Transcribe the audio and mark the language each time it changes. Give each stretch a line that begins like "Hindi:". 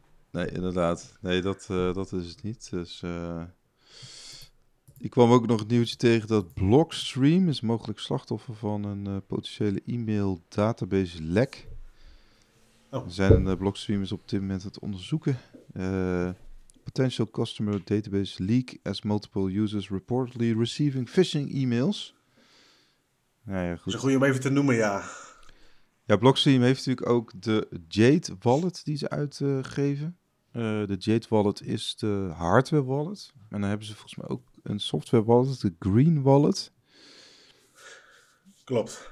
Dutch: Nee, inderdaad. Nee, dat is het niet. Dus, ik kwam ook nog het nieuwtje tegen dat Blockstream is mogelijk slachtoffer van een potentiële e-mail database lek. Oh. Zijn Blockstream is op dit moment aan het onderzoeken.
English: Potential customer database leak as multiple users reportedly receiving phishing emails.
Dutch: Nou ja, Dat is een goed. goede om even te noemen, ja. Ja, Blockstream heeft natuurlijk ook de Jade Wallet die ze uitgeven. De Jade Wallet is de hardware wallet. En dan hebben ze volgens mij ook een software wallet, de Green Wallet. Klopt.